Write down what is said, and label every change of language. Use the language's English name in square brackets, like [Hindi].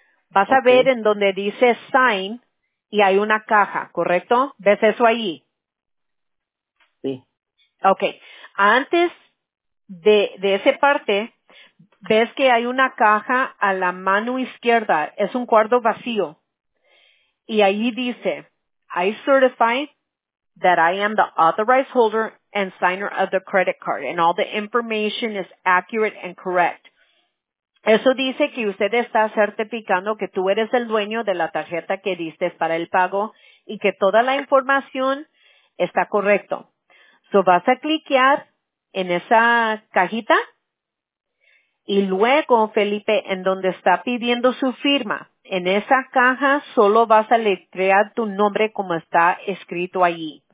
[Spanish] Vas a ver en donde dice Sign y hay una caja, ¿correcto? ¿Ves eso allí? Sí. Okay, antes de esa parte, ves que hay una caja a la mano izquierda, es un cuarto vacío. Y ahí dice, [English] I certify that I am the authorized holder and signer of the credit card and all the information is accurate and correct. [Spanish] Eso dice que usted está certificando que tú eres el dueño de la tarjeta que diste para el pago y que toda la información está correcto. So vas a cliquear en esa cajita y luego, Felipe, en donde está pidiendo su firma, en esa caja solo vas a letrear tu nombre como está escrito allí.